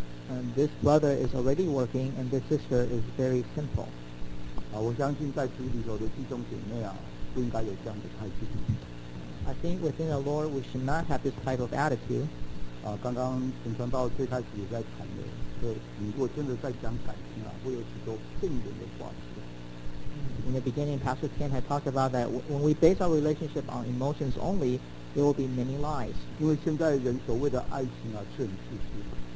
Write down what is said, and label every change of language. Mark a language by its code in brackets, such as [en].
[en] And this brother is already working, and this sister is very simple. I think within the Lord, we should not have this type of attitude. [zh] 刚刚陈传道最开始也在谈的，说如果真的在讲感情啊，会有许多正面的话题。 [en] In the beginning, Pastor Ken had talked about that when we base our relationship on emotions only, there will be many lies. [zh] 因为现在人所谓的爱情啊，是很自私的。